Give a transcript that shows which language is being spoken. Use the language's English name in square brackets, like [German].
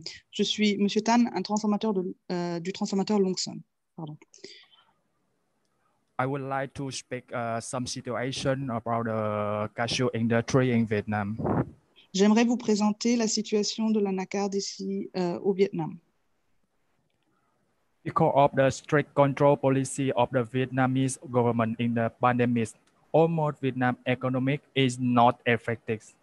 [French] Je suis Monsieur Tan, un transformateur de, du transformateur Longson. Pardon. [English] I would like to speak some situation about the cashew industry in Vietnam. [French] J'aimerais vous présenter la situation de l'anacarde ici au Vietnam. [English] Because of the strict control policy of the Vietnamese government in the pandemic, almost Vietnam economic is not affected.